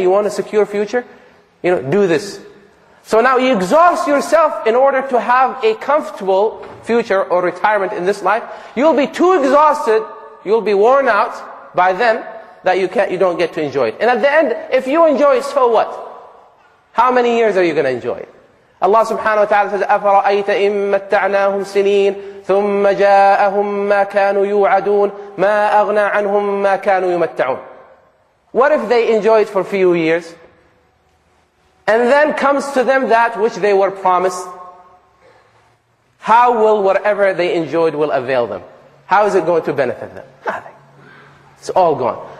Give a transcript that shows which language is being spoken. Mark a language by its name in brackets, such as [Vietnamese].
[English] You want a secure future? You know, do this. So now you exhaust yourself in order to have a comfortable future or retirement in this life. You'll be too exhausted, you'll be worn out by them that you don't get to enjoy it. And at the end, if you enjoy it, so what? How many years are you going to enjoy it? Allah subhanahu wa ta'ala says, [Arabic] أَفَرَأَيْتَ إِن مَتَّعْنَاهُمْ سِنِينَ ثُمَّ جَاءَهُمْ مَا كَانُوا يُوعَدُونَ مَا أَغْنَى عَنْهُمْ مَا كَانُوا يُمَتَّعُونَ. [English] What if they enjoy it for a few years? And then comes to them that which they were promised. How will whatever they enjoyed will avail them? How is it going to benefit them? Nothing. It's all gone.